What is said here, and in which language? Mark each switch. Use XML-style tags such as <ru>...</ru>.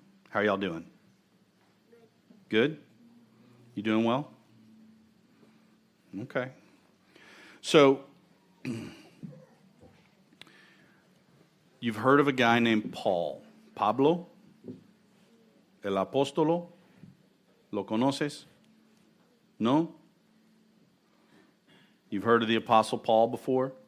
<en>How are y'all doing? Good? You doing well? Okay. So, you've heard of a guy named Paul.</en> <es>Pablo, el apóstolo, ¿lo conoces?</es> <en>No? You've heard of the apostle Paul before?</en>